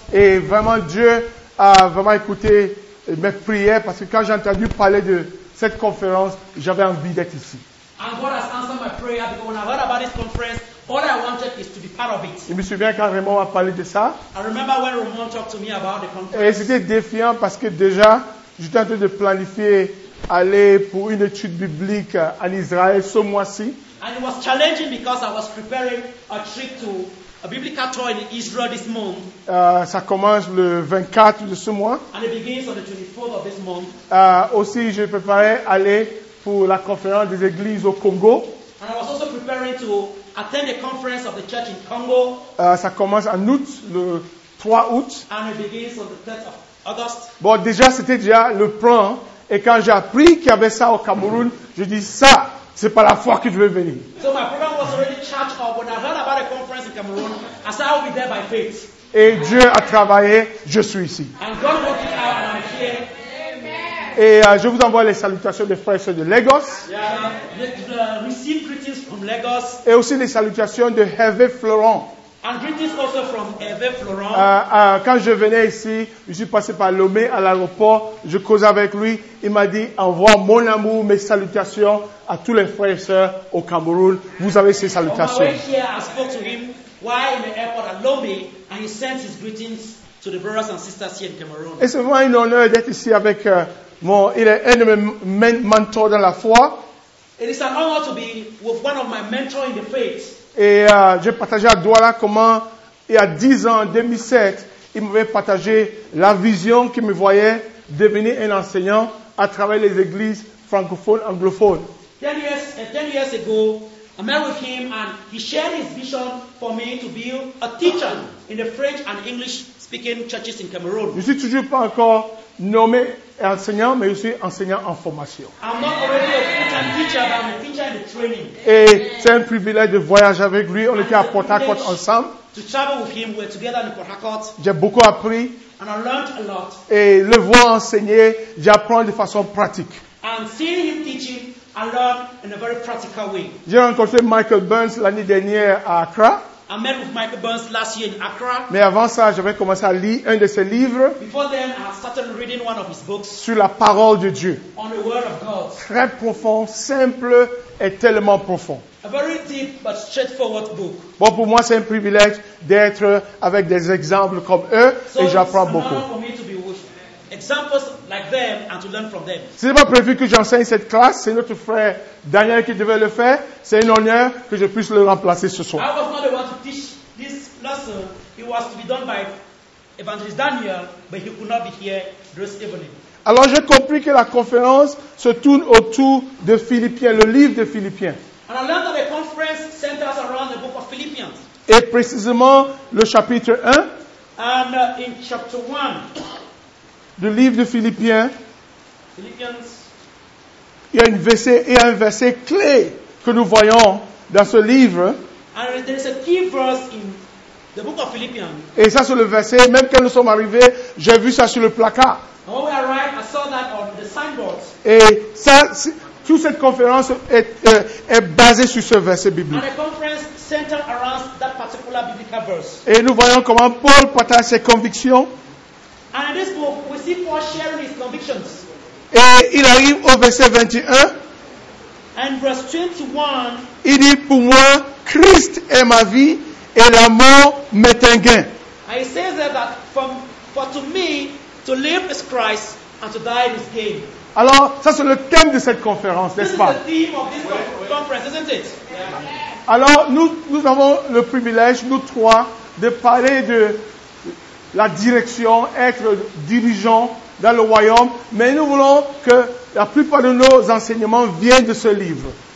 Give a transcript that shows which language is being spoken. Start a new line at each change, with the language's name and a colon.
French: Et vraiment, Dieu a vraiment écouté mes prières parce que quand j'ai entendu parler de cette conférence, j'avais envie d'être ici.
English: And God has answered my prayer because when I heard about this conference, all I wanted is to be part of it.
French: Je me souviens quand Raymond m'a parlé de ça.
English: I remember when Raymond talked to me about the conference.
French: Et c'était défiant parce que déjà, j'étais en train de planifier aller pour une étude biblique en Israël ce mois-ci.
English: And it was challenging because I was preparing a trip to a biblical tour in Israel this month.
French: Ça commence le 24 de ce mois.
English: And it begins on the 24th of this month.
French: Aussi, je préparais aller pour la conférence des églises au Congo.
English: And I was also preparing to attend a conference of the church in Congo.
French: Ça commence en août, le 3 août.
English: And it begins on the 3rd of August.
French: Bon, déjà, c'était déjà le plan. Et quand j'ai appris qu'il y avait ça au Cameroun, je dis ça. C'est pas la foi que je veux venir.
English: So my program was already charged up when I heard about a conference in Cameroon. I said I'll be there by faith.
French: Et Dieu a travaillé, je suis ici.
English: And God worked it out and I'm here. Amen.
French: Et je vous envoie les salutations des frères et sœurs de Lagos.
English: Yeah, receive greetings from Lagos.
French: Et aussi les salutations de Hervé Florent.
English: And greetings also from Hervé Florent.
French: Quand je venais ici, je suis passé par Lomé à l'aéroport. Je causais avec lui. Il m'a dit, envoie mon amour, mes salutations à tous les frères et sœurs au Cameroun. Vous avez ces salutations.
English: On my way here, I spoke to him while in the airport at Lomé, and he sent his greetings to the brothers and sisters here in Cameroon.
French: Et c'est vraiment un honneur d'être ici avec mon. Il est un de mes mentors dans la foi.
English: It is an honor to be with one of my mentors in the faith.
French: Et j'ai partagé à Douala comment, il y a 10 ans, 2007, il m'avait partagé la vision qu'il me voyait devenir un enseignant à travers les églises francophones, anglophones.
English: 10 years ago, I met with him and he shared his vision for me to be a teacher in the French and English speaking churches in Cameroon.
French: Je ne suis toujours pas encore nommé enseignant, mais je suis enseignant en formation.
English: I'm not already a full-time teacher, but I'm a teacher in the training.
French: Et c'est un privilège de voyager avec lui. On était à Port Harcourt ensemble.
English: To travel with him, we're together in Port Harcourt.
French: J'ai beaucoup appris.
English: And I learned a lot.
French: Et le voir enseigner, j'apprends de façon pratique.
English: And seeing him teaching, I learn in a very practical way.
French: J'ai rencontré Michael Burns l'année dernière à Accra.
English: I met with Michael Burns last year in Accra.
French: Mais avant ça, j'avais commencé à lire un de ses livres.
English: Before then, I started reading one of his books.
French: Sur la parole de Dieu.
English: On the word of God.
French: Très profond, simple et tellement profond.
English: A very deep but straightforward book.
French: Bon, pour moi, c'est un privilège d'être avec des exemples comme eux
English: so
French: et j'apprends beaucoup.
English: For me to be with examples like them and to learn from them.
French: Ce n'est pas prévu que j'enseigne cette classe. C'est notre frère Daniel qui devait le faire. C'est un honneur que je puisse le remplacer ce soir.
English: I was not the one to teach this lesson. It was to be done by Evangelist Daniel, but he could not be here this evening.
French: Alors j'ai compris que la conférence se tourne autour de Philippiens, le livre de Philippiens.
English: And I learned that the conference centers around the book of Philippians.
French: Et précisément le chapitre 1.
English: And in chapter 1.
French: Le livre de Philippiens, il y a un verset clé que nous voyons dans ce livre.
English: And there is a key verse in the book of Philippians.
French: Et ça, c'est le verset. Même quand nous sommes arrivés, j'ai vu ça sur le placard.
English: And when we arrived, I saw that on the signboard.
French: Et ça, toute cette conférence est basée sur ce verset biblique.
English: And the conference centered around that particular biblical verse.
French: Et nous voyons comment Paul partage ses convictions.
English: And in this book, we see Paul sharing his convictions.
French: Et il arrive au verset 21.
English: And verse 21.
French: Il dit, pour moi, Christ est ma vie et la mort m'est un gain.
English: And he says that for to me, to live is Christ and to die is gain.
French: Alors, ça c'est le thème de cette conférence, n'est-ce pas?
English: This is the theme of this conference, isn't it? Yeah.
French: Alors, nous avons le privilège, nous trois, de parler de la direction, être dirigeant dans le royaume. Mais nous voulons que la plupart de nos enseignements viennent de ce livre.